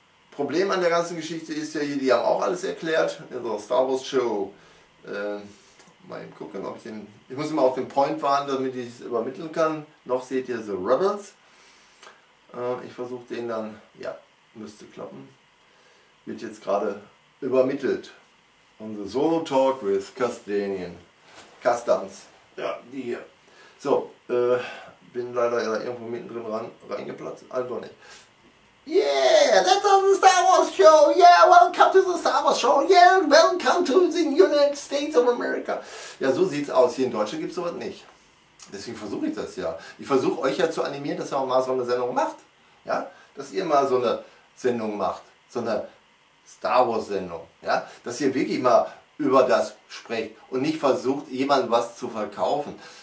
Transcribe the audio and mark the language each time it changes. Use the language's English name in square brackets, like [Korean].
[German] Problem an der ganzen Geschichte ist ja hier, die haben auch alles erklärt. So, Star Wars Show. Mal eben gucken, ob ich den. Ich muss immer auf den Point warten, damit ich es übermitteln kann. Noch seht ihr The Rebels. Ich versuche den dann. Ja, müsste klappen. Wird jetzt gerade übermittelt. Unser Solo Talk with Castanian. Customs. Ja, die hier. So, bin leider irgendwo mittendrin reingeplatzt. Also nicht. [English] Yeah, that's on the Star Wars Show. Yeah, welcome to the Star Wars Show. Yeah, welcome to the United States of America. [German] Ja, so sieht's aus. Hier in Deutschland gibt's sowas nicht. Deswegen versuche ich das ja. Ich versuche euch ja zu animieren, dass ihr auch mal so eine Sendung macht. Ja, dass ihr mal so eine Sendung macht. So eine Star Wars Sendung. Ja, dass ihr wirklich mal über das spricht und nicht versucht, jemandem was zu verkaufen.